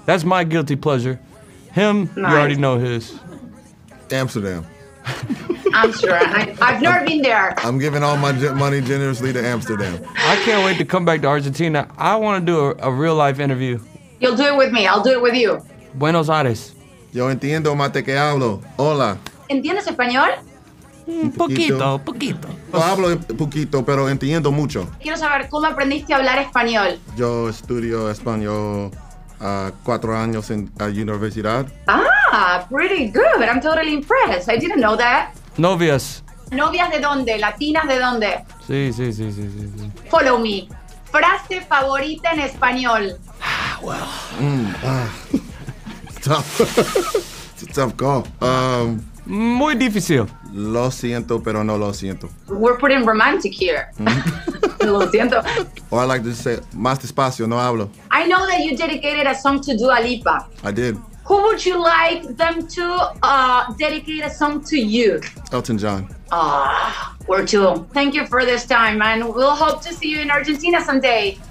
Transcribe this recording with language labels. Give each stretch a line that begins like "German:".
English: That's my guilty pleasure. Him, nice. You already know his. Amsterdam. Amsterdam. I've never been there. I'm giving all my money generously to Amsterdam. I can't wait to come back to Argentina. I want to do a real life interview. You'll do it with me. I'll do it with you.
Spanish: Buenos Aires. Yo entiendo más que hablo. Hola. ¿Entiendes español? Un poquito. No hablo poquito, pero entiendo mucho. Quiero saber, ¿cómo aprendiste a hablar español? Yo estudio español 4 años en la universidad.
English: Ah, pretty good. I'm totally impressed. I didn't know that.
Spanish: Novias. ¿Novias de dónde? ¿Latinas de dónde? Sí.
English: Follow me.
Spanish: ¿Frase favorita en español?
English: Ah, well. Tough. It's a tough call.
Spanish: Muy difícil. Lo siento, pero no lo siento.
English: We're putting romantic here.
Spanish: Mm-hmm. Lo siento.
English: Or I like to say,
Spanish: más despacio, no hablo.
English: I know that you dedicated a song to Dua Lipa. I did. Who would you like them to dedicate a song to you? Elton John. We're two. Thank you for this time, man. We'll hope to see you in Argentina someday.